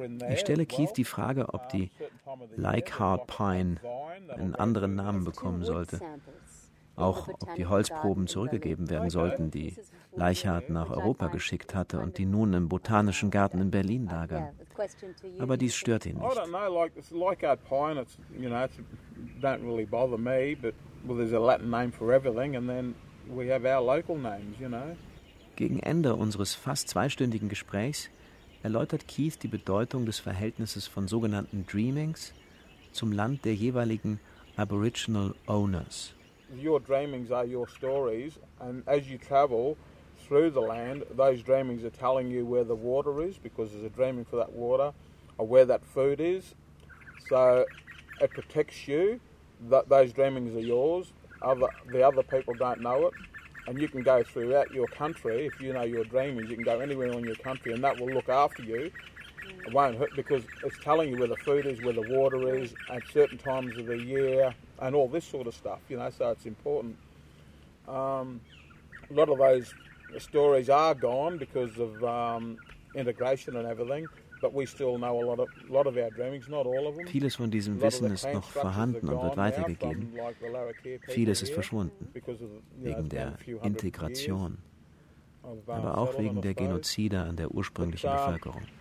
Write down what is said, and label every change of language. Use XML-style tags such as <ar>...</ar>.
<de>Ich stelle Keith die Frage, ob die Leichhardt Pine einen anderen Namen bekommen sollte. Auch ob die Holzproben zurückgegeben werden sollten, die Leichhardt nach Europa geschickt hatte und die nun im Botanischen Garten in Berlin lagern. Aber dies stört ihn nicht.</de> <en>I don't know, like it's Leichhardt Pine, it's, you know, it don't really bother me, but well, there's a Latin name for everything and then we have our local names, you know.</en> <de>Gegen Ende unseres fast zweistündigen Gesprächs erläutert Keith die Bedeutung des Verhältnisses von sogenannten Dreamings zum Land der jeweiligen Aboriginal Owners.</de> <en>Your dreamings are your stories, and as you travel through the land, those dreamings are telling you where the water is, because there's a dreaming for that water, or where that food is. So it protects you. Those dreamings are yours. The other people don't know it, and you can go throughout your country if you know your dreamings. You can go anywhere in your country, and that will look after you. It won't hurt because it's telling you where the food is, where the water is, at certain times of the year, and all this sort of stuff, you know, so it's important. A lot of those stories are gone because of integration and everything, but we still know a lot of our dreamings, not all of them.</en> <de>Vieles von diesem Wissen ist noch vorhanden und wird weitergegeben. Vieles ist verschwunden, wegen der Integration, aber auch wegen der Genozide an der ursprünglichen Bevölkerung.</de>